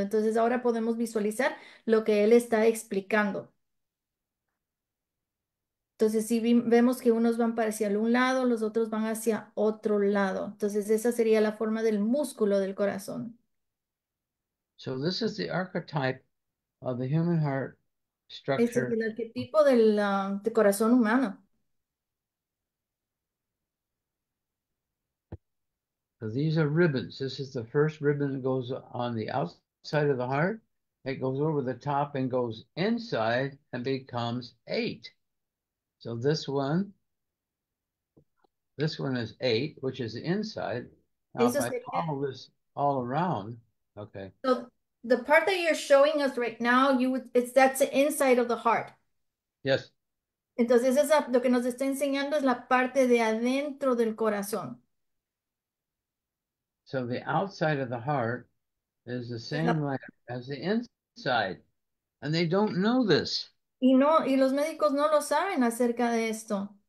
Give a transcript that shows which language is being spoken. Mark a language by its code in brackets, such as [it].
[es] Entonces ahora podemos visualizar lo que él está explicando. Entonces, si vemos que unos van para hacia un lado, los otros van hacia otro lado. Entonces, esa sería la forma del músculo del corazón. [en] So this is the archetype of the human heart [es] Ese es [en] structure. [es] el arquetipo del corazón humano. [en] These are ribbons. This is the first ribbon that goes on the outside of the heart. It goes over the top and goes inside and becomes eight. So this one is eight, which is inside. Now, if [es] Eso [en] I [es] sería. [en] follow this all around, okay. So the part that you're showing us right now, it's that's the inside of the heart. Yes. [es] Entonces, lo que nos está enseñando es la parte de adentro del corazón. [en] So the outside of the heart is the same layer as the inside, and they don't know this. [es] Y no, y los médicos no lo saben acerca de esto.